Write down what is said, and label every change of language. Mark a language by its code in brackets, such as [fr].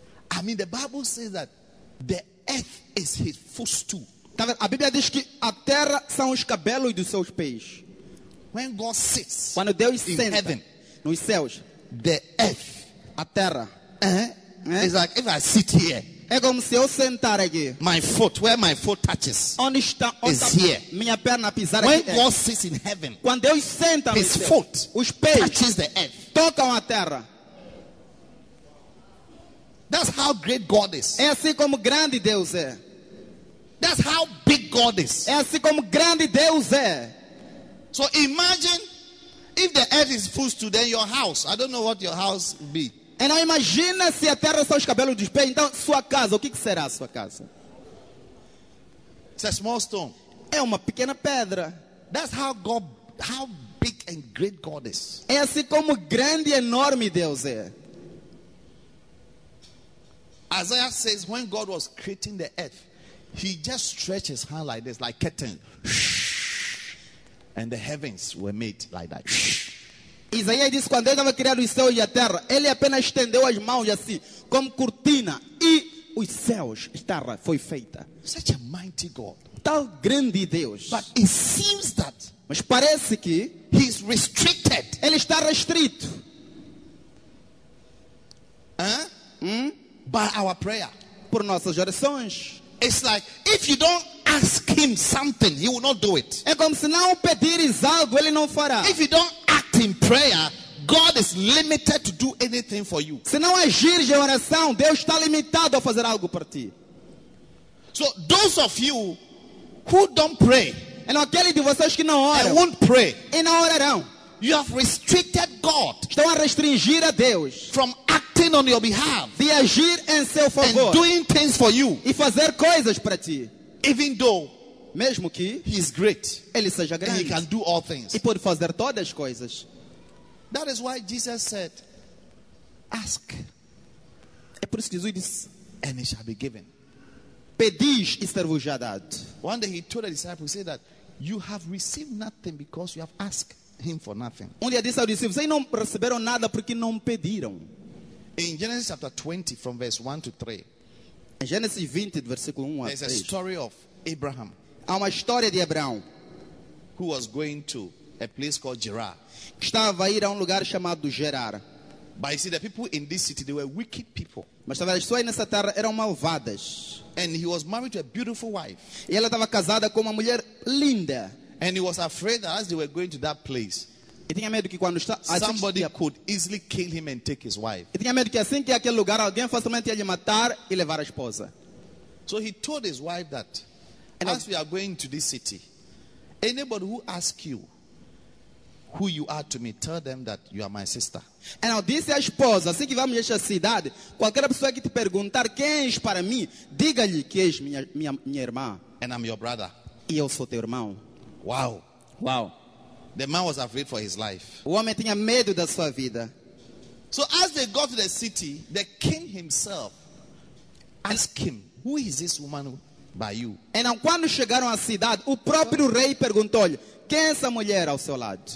[en] I mean, the Bible says that the earth is his footstool. [pt] A Bíblia diz que a terra são os cabelos dos seus pés. [en] When God sits, [pt] quando Deus [en] in [pt] senta [en] heaven, [pt] nos céus, [en] the earth, [pt] a terra, [en] it's like if I sit here, [pt] é como se eu sentar aqui. [en] My foot, where my foot touches, [pt] onde está, [en] is here. [pt] Minha perna pisar [en] when [pt] aqui [en] God sits in heaven, [pt] quando Deus senta [en] his [pt] nos céus, [en] foot [pt] os pés [en] touches the earth, [pt] tocam a terra. [en] That's how great God is. [pt] É assim como grande Deus é. [en] That's how big God is. [pt] É assim como grande Deus é. [en] So imagine if the earth is full to then your house. I don't know what your house be. [pt] E não imagina se a terra são os cabelos dos pés. Então sua casa, o que será a sua casa? [en] It's a small stone. [pt] É uma pequena pedra. [en] That's how God, how big and great God is. [pt] É assim como grande e enorme Deus é. [en] Isaiah says when God was creating the earth. He just stretched his hand like this, like curtain. And the heavens were made like that. [pt] Isaías disse, quando Deus estava criando os céus e a terra, ele apenas estendeu as mãos assim, como cortina, e os céus, a terra foi feita. [en] Such a mighty God. [pt] Tal grande Deus. [en] But it seems that. [pt] Mas parece que. [en] He's restricted. [pt] Ele está restrito. [en] By our prayer. [pt] Por nossas orações. [en] It's like if you don't ask him something, he will not do it. [pt] É como se não pedires algo, ele não fará. [en] If you don't act in prayer, God is limited to do anything for you. [pt] Se não agires em oração, Deus está limitado a fazer algo para ti. [en] So those of you who don't pray, [pt] é aquele de vocês que não oram, [en] and won't pray, [pt] e não orarão, [en] you have restricted God. [pt] Estão a restringir a Deus [en] from acting on your behalf, [pt] de agir em seu favor, [en] and doing things for you, [pt] e fazer coisas para ti. [en] Even though, [pt] mesmo que, [en] he is great, [pt] ele seja grande, [en] and he can do all things, [pt] e pode fazer todas as coisas. [en] That is why Jesus said, "Ask." [pt] É por isso que Jesus disse, [en] "And it shall be given." [pt] Pedis e ser-vos-á dado. [en] One day he told the disciples, "Say that you have received nothing because you have asked." Him for nothing. [pt] Um dia disse aos discípulos, vocês não receberam nada porque não pediram. [en] In Genesis chapter 20 from verse 1 to 3. [pt] Gênesis 20 versículo 1 a 3. [en] There's a story of Abraham. [pt] Há uma história de Abraão. [en] Who was going to a place called Gerar. [pt] Estava a ir a lugar chamado Gerar. [en] But you see, the people in this city, they were wicked people. [pt] Mas as pessoas nessa terra eram malvadas. [en] And he was married to a beautiful wife. [pt] E ela estava casada com uma mulher linda. [en] And he was afraid that as they were going to that place, [pt] e tinha medo que quando está, [en] somebody could easily kill him and take his wife. [pt] E tinha medo que assim que aquele lugar, alguém facilmente ia lhe matar e levar a esposa. [en] So he told his wife that, and as we are going to this city, anybody who asks you who you are to me, tell them that you are my sister. [pt] E não disse a esposa, assim que vamos a esta cidade, qualquer pessoa que te perguntar quem és para mim, diga-lhe que és minha irmã. [en] And I'm your brother. [pt] E eu sou teu irmão. [en] Wow. Wow. The man was afraid for his life. [pt] O homem tinha medo da sua vida. [en] So as they got to the city, the king himself asked him, "Who is this woman by you?" [pt] Então quando chegaram à cidade, o próprio rei perguntou-lhe, "Quem é essa mulher ao seu lado?"